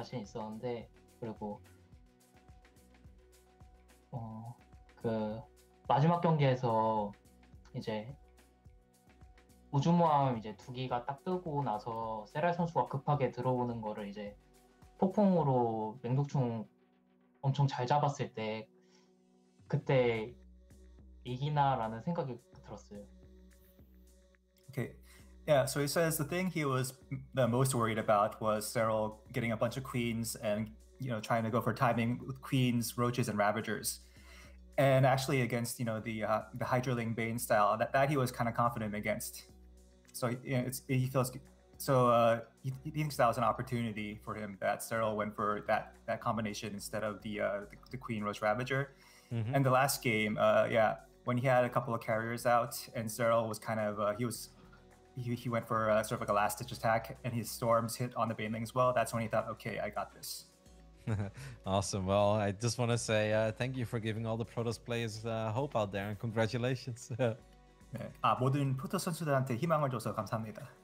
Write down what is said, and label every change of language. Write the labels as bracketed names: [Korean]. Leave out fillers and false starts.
[Korean] 자신 있었는데 그리고 그 마지막 경기에서 이제 우주모함 이제 2기가 딱 뜨고 나서 세랄 선수가 급하게 들어오는 거를 이제 폭풍으로 맹독충 엄청 잘 잡았을 때 그때 이기나라는 생각이 들었어요. [English] Okay, yeah, so he says the thing he was the most worried about was Cyril getting a bunch of queens and, you know, trying to go for timing with queens, roaches, and ravagers. And actually against, you know, the Hydraling Bane style, that he was kind of confident against. So he feels, he thinks that was an opportunity for him that Cyril went for that combination instead of the queen, roach, ravager. Mm-hmm. And the last game, when he had a couple of carriers out, and Zerl was kind of, he went for sort of like a last ditch attack, and his storms hit on the Baneling as well. That's when he thought, okay, I got this. Awesome. Well, I just want to say thank you for giving all the Protoss players hope out there, and congratulations. [Korean] 네. 아, 모든 프로토스 선수들한테 희망을 줘서 감사합니다.